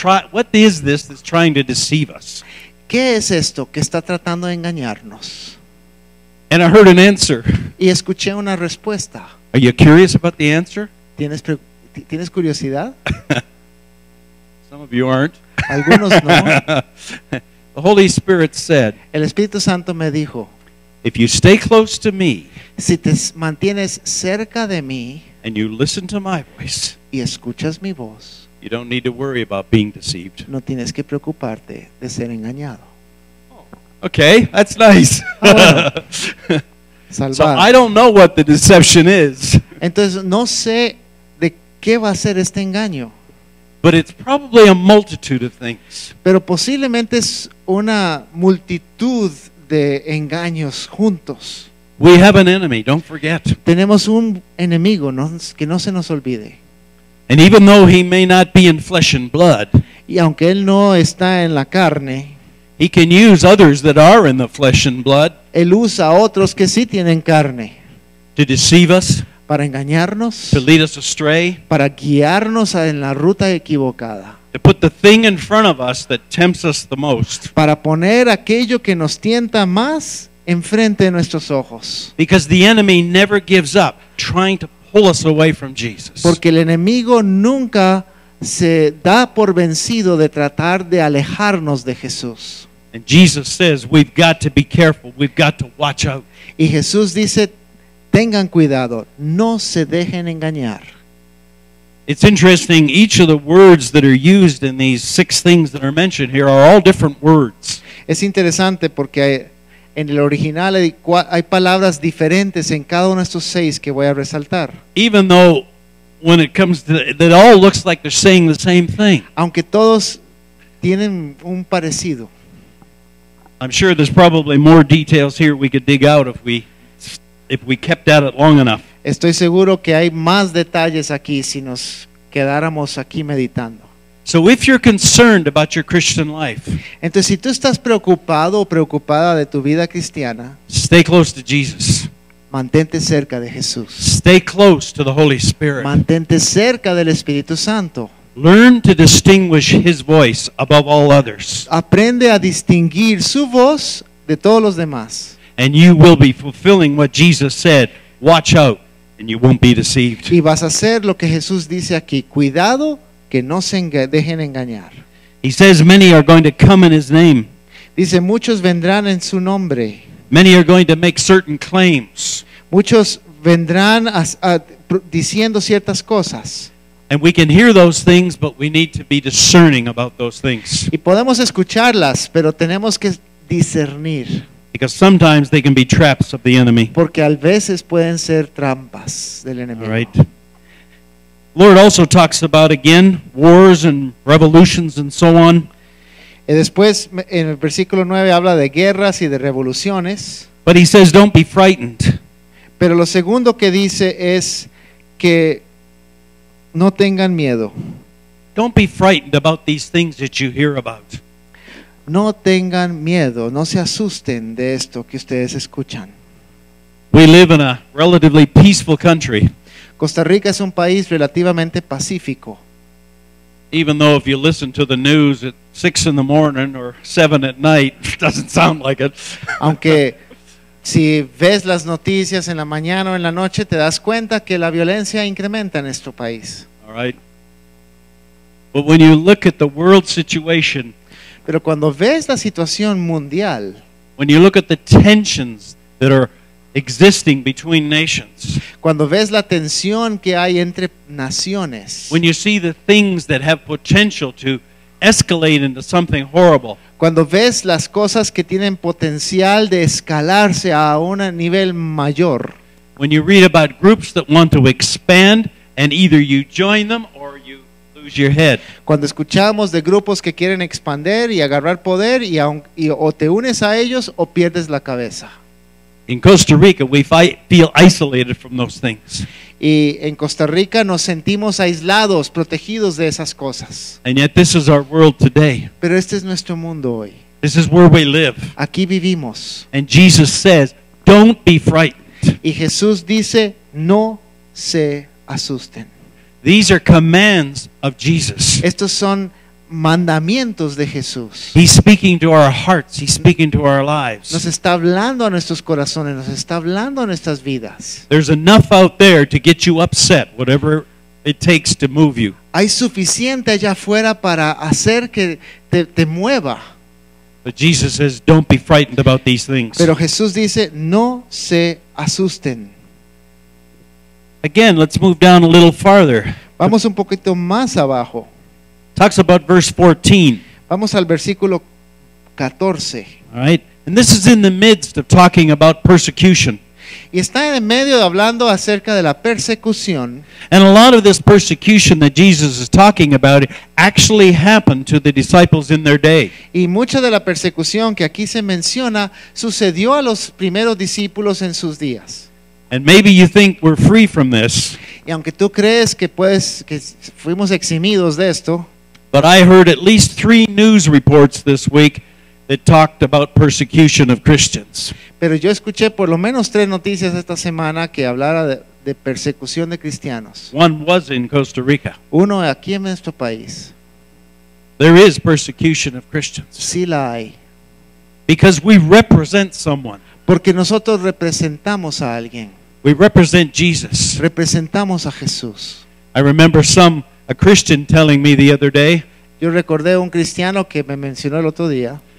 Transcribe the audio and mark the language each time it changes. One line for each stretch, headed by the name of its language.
English: what is this that's trying to deceive us?
Spanish: ¿Qué es esto que está tratando de engañarnos?
English: And I heard an answer.
Spanish: Y escuché una respuesta.
English: Are you curious about the answer?
Spanish: ¿Tienes curiosidad?
English: Some of you aren't.
Spanish: Algunos no.
English: The Holy Spirit said,
Spanish: el Espíritu Santo me dijo,
English: if you stay close to me,
Spanish: si te mantienes cerca de mí,
English: and you listen to my voice,
Spanish: y escuchas mi voz,
English: you don't need to worry about being deceived.
Spanish: No tienes que preocuparte de ser engañado.
English: Okay, that's nice.
Spanish: Ah, bueno.
English: So I don't know what the deception is.
Spanish: Entonces no sé de qué va a ser este engaño.
English: But it's probably a multitude of things.
Spanish: Pero posiblemente es una multitud de engaños juntos.
English: We have an enemy, don't forget.
Spanish: Tenemos un enemigo, no, que no se nos olvide.
English: And even though he may not be in flesh and blood,
Spanish: y aunque él no está en la carne,
English: he can use others that are in the flesh and blood.
Spanish: Él usa otros que sí tienen carne.
English: To deceive us.
Spanish: Para engañarnos.
English: To lead us astray.
Spanish: Para guiarnos en la ruta equivocada.
English: To put the thing in front of us that tempts us the most.
Spanish: Para poner aquello que nos tienta más enfrente de nuestros ojos.
English: Because the enemy never gives up trying to pull us away from Jesus.
Spanish: Porque el enemigo nunca se da por vencido de tratar de alejarnos de Jesús.
English: And Jesus says, we've got to be careful, we've got to watch out.
Spanish: Y Jesús dice, tengan cuidado, no se dejen engañar.
English: It's interesting, each of the words that are used in these six things that are mentioned here are all different words.
Spanish: Es interesante porque en el original hay palabras diferentes en cada uno de estos seis que voy a resaltar.
English: Even though when it comes to that, all looks like they're saying the same thing.
Spanish: Aunque todos tienen un parecido.
English: I'm sure there's probably more details here we could dig out if we kept at it long enough.
Spanish: Estoy seguro que hay más detalles aquí si nos quedáramos aquí meditando.
English: So if you're concerned about your Christian life,
Spanish: entonces si tú estás preocupado o preocupada de tu vida cristiana,
English: stay close to Jesus.
Spanish: Mantente cerca de Jesús.
English: Stay close to the Holy Spirit.
Spanish: Mantente cerca del Espíritu Santo.
English: Learn to distinguish His voice above all others.
Spanish: Aprende a distinguir su voz de todos los demás.
English: And you will be fulfilling what Jesus said. Watch out, and you won't be deceived.
Spanish: Y vas a hacer lo que Jesús dice aquí. Cuidado que no se dejen engañar.
English: He says many are going to come in His name.
Spanish: Dice muchos vendrán en su nombre.
English: Many are going to make certain claims.
Spanish: Muchos vendrán diciendo ciertas cosas.
English: And we can hear those things, but we need to be discerning about those things.
Spanish: Y podemos escucharlas, pero tenemos que discernir.
English: Because sometimes they can be traps of the enemy.
Spanish: Porque a veces pueden ser trampas del enemigo.
English: All right. Lord also talks about again wars and revolutions and so on.
Spanish: Y después en el versículo 9 habla de guerras y de revoluciones.
English: But he says, don't be frightened.
Spanish: Pero lo segundo que dice es que no tengan miedo.
English: Don't be frightened about these things that you hear about.
Spanish: No tengan miedo, no se asusten de esto que ustedes escuchan.
English: We live in a relatively peaceful country.
Spanish: Costa Rica es un país relativamente pacífico.
English: Even though if you listen to the news at 6 in the morning or 7 at night, it doesn't sound like it.
Spanish: Aunque si ves las noticias en la mañana o en la noche, te das cuenta que la violencia incrementa en nuestro país.
English: All right. But when you look at the world situation,
Spanish: pero cuando ves la situación mundial,
English: when you look at the tensions that are existing between nations,
Spanish: cuando ves la tensión que hay entre naciones,
English: when you see the things that have potential to escalate into something horrible,
Spanish: cuando ves las cosas que tienen potencial de escalarse a un nivel mayor,
English: when you read about groups that want to expand and either you join them or you lose your head,
Spanish: cuando escuchamos de grupos que quieren expandir y agarrar poder y o te unes a ellos o pierdes la cabeza.
English: In Costa Rica, we feel isolated from those things.
Spanish: Y en Costa Rica nos sentimos aislados, protegidos de esas cosas.
English: And yet this is our world today.
Spanish: Pero este es nuestro mundo hoy.
English: This is where we live.
Spanish: Aquí vivimos.
English: And Jesus says, don't be frightened.
Spanish: Y Jesús dice, no se asusten.
English: These are commands of Jesus.
Spanish: Estos son mandamientos de Jesús.
English: He's speaking to our hearts, he's speaking to our lives.
Spanish: Nos está hablando a nuestros corazones, nos está hablando a nuestras vidas.
English: There's enough out there to get you upset, whatever it takes to move you.
Spanish: Hay suficiente allá afuera para hacer que te mueva.
English: But Jesus says, don't be frightened about these things.
Spanish: Pero Jesús dice, no se asusten.
English: Again, let's move down a little farther.
Spanish: Vamos un poquito más abajo.
English: Talks about verse 14.
Spanish: Vamos al versículo 14.
English: All right. And this is in the midst of talking about persecution.
Spanish: Y está en medio de hablando acerca de la persecución.
English: And a lot of this persecution that Jesus is talking about actually happened to the disciples in their day.
Spanish: Y mucha de la persecución que aquí se menciona sucedió a los primeros discípulos en sus días.
English: And maybe you think we're free from this.
Spanish: Y aunque tú crees que puedes, que fuimos eximidos de esto.
English: But I heard at least 3 news reports this week that talked about persecution of Christians.
Spanish: Pero yo escuché por lo menos 3 noticias esta semana que hablara de persecución de cristianos.
English: One was in Costa Rica.
Spanish: Uno aquí en nuestro país.
English: There is persecution of Christians.
Spanish: Sí la hay.
English: Because we represent someone.
Spanish: Porque nosotros representamos a alguien.
English: We represent Jesus.
Spanish: Representamos a Jesús.
English: I remember a Christian telling me the other day.
Spanish: Yo recordé un cristiano que me mencionó el otro día.